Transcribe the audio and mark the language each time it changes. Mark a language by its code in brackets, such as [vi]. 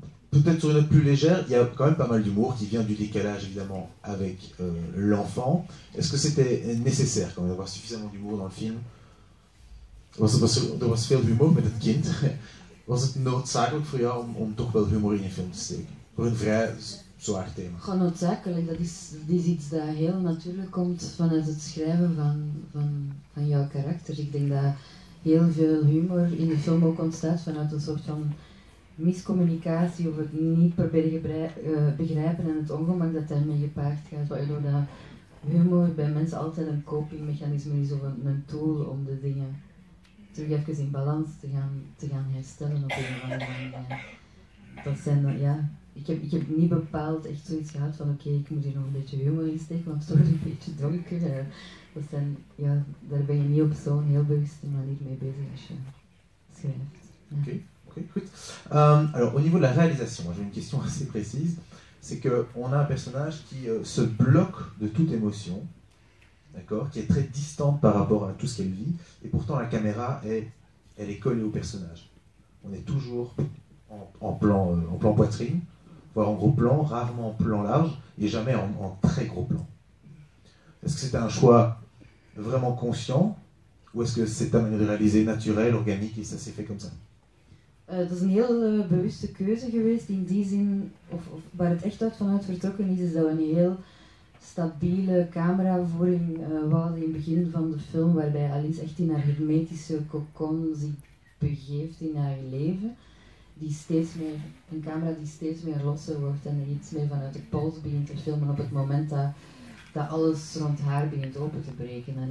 [fr] Peut-être sur une note plus légère, il y a quand même pas mal d'humour qui vient du décalage, évidemment, avec l'enfant. Est-ce que c'était nécessaire quand même d'avoir suffisamment d'humour dans le film? [nl] Was het was veel humor met het kind? Was het noodzakelijk voor jou om toch wel humor in je film te steken? Voor een vrij... Gewoon noodzakelijk, dat is iets dat heel natuurlijk komt vanuit het schrijven van jouw karakter. Ik denk dat heel veel humor in de film ook ontstaat vanuit een soort van miscommunicatie of het niet proberen begrijpen en het ongemak dat daarmee gepaard gaat. Waardoor dat humor bij mensen altijd een copingmechanisme is of een tool om de dingen terug even in balans te gaan herstellen op een of andere manier. Dat zijn dan, ja. Ik heb niet bepaald echt zoiets gehad van oké, ik moet hier nog een beetje humor in steken, want het wordt een beetje donker. Dat zijn, ja, daar ben je niet op zo'n heel bewuste manier mee bezig als je schrijft. Oké, goed. [fr] Alors, au niveau de la réalisation, j'ai une question assez précise. C'est qu'on a un personnage qui se bloque de toute émotion, d'accord, qui est très distante par rapport à tout ce qu'elle vit, et pourtant la caméra, elle est collée au personnage. On est toujours en plan poitrine, voire en gros plan, rarement en plan large, et jamais en très gros plan. Est-ce que c'était un choix vraiment conscient, Ou est-ce que c'est ta manière de réaliser naturelle, organique, et ça s'est fait comme ça? [nl] Dat is een heel bewuste keuze geweest in die zin, of waar het echt uit vanuit vertrokken is dat we een heel stabiele cameravoering wouden in het begin van de film, waarbij Alice echt in haar hermetische cocon zich begeeft in haar leven, die steeds meer, een camera die steeds meer losser wordt en iets meer vanuit de pols begint te filmen op het moment dat alles rond haar begint open te breken.